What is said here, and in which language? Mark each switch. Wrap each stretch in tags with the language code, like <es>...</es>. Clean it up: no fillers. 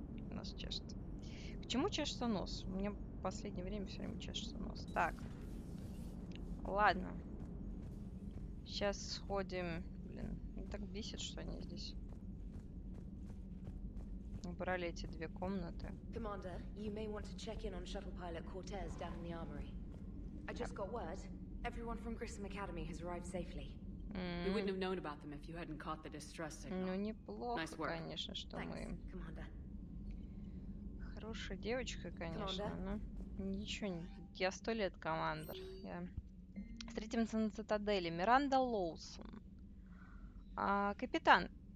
<ru>У нас чешется. Почему чешется нос? У меня в последнее время все время чешется нос. Так. Ладно. Сейчас сходим. Блин, так бесит, что они здесь. Убрали эти две комнаты.</ru> <en>Commander, you may want to check in on shuttle pilot Cortez down in the armory. I just got word. Everyone from Grissom Academy has arrived safely. You wouldn't have known about them if you hadn't caught the distress signal.</en> <ru>Ну неплохо, конечно, что мы.</ru> <en>Thanks, Commander.</en> <ru>Хорошая девочка, конечно, но ничего не. Я 100 лет командир. Я. Встретимся на цитадели. Миранда Лоусон. Капитан.</ru>